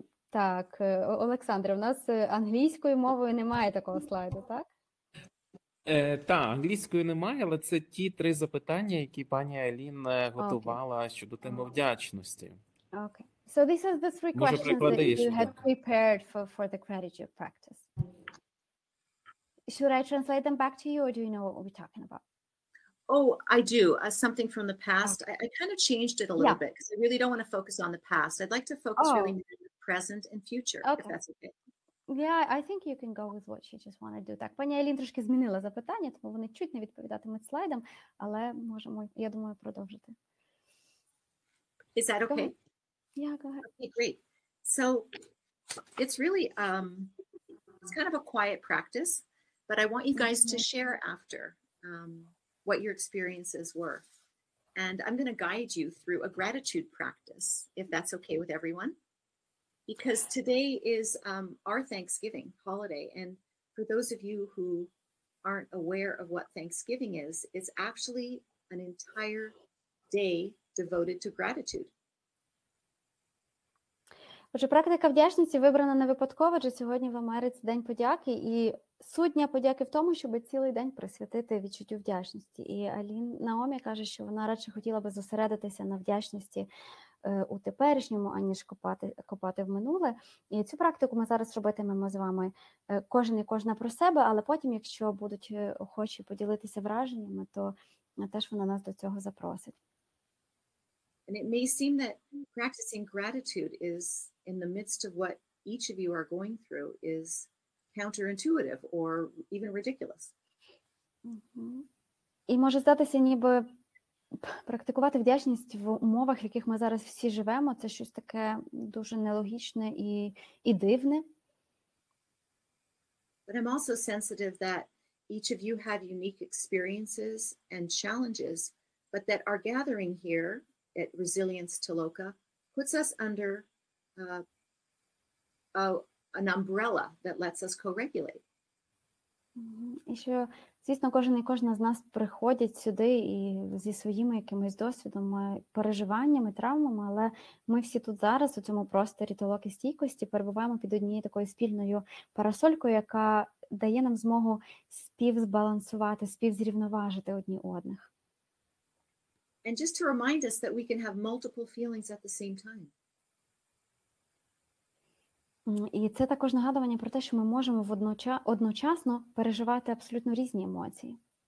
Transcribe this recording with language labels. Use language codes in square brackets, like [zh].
[uk] Так, Олександре, у нас англійською мовою немає такого слайду, так? Так, англійською немає, але це ті три запитання, які пані Алін готувала щодо теми вдячності. [en] Okay. So these are the three questions that you had prepared for the gratitude practice. Should I translate them back to you, or do you know what we're talking about? Oh, I do. Something from the past. Okay. I kind of changed it a little bit because I really don't want to focus on the past. I'd like to focus really on the present and future, if that's okay. Yeah, I think you can go with what you just want to do. [uk] Так, пані Елін трошки змінила запитання, тому вони чуть не відповідатимуть слайдам, але можемо, я думаю, продовжити. [en] Is that okay? Yeah, go ahead. Okay, great. So it's really, it's kind of a quiet practice, but I want you guys to share after what your experiences were. And I'm going to guide you through a gratitude practice, if that's okay with everyone. Because today is our Thanksgiving holiday. And for those of you who aren't aware of what Thanksgiving is, it's actually an entire day devoted to gratitude. [uk] Отже, практика вдячності вибрана не випадково, адже сьогодні в Америці День подяки, і суть подяки в тому, щоб цілий день присвятити відчуттю вдячності. І Алін Наомі каже, що вона радше хотіла би зосередитися на вдячності у теперішньому, аніж копати в минуле. І цю практику ми зараз робитимемо з вами кожен і кожна про себе, але потім, якщо будуть охочі поділитися враженнями, то теж вона нас до цього запросить. [en] And it may seem that practicing gratitude is in the midst of what each of you are going through is counterintuitive or even ridiculous. [uk] І може здатися, ніби практикувати вдячність в умовах, в яких ми зараз всі живемо, це щось таке дуже нелогічне і дивне. [en] But I'm also sensitive that each of you have unique experiences and challenges, but that our gathering here at Resilience Toloka puts us under an umbrella that lets us co-regulate. [uk] І що Звісно, кожен і кожна з нас приходять сюди і зі своїми якимись досвідами, переживаннями, травмами, але ми всі тут зараз у цьому просторі толоки стійкості перебуваємо під однією такою спільною парасолькою, яка дає нам змогу співзбалансувати, співзрівноважити одні одних. [en] And just to remind us that we can have multiple feelings at the same time. [uk] І це також нагадування про те, що ми можемо одночасно переживати абсолютно різні емоції.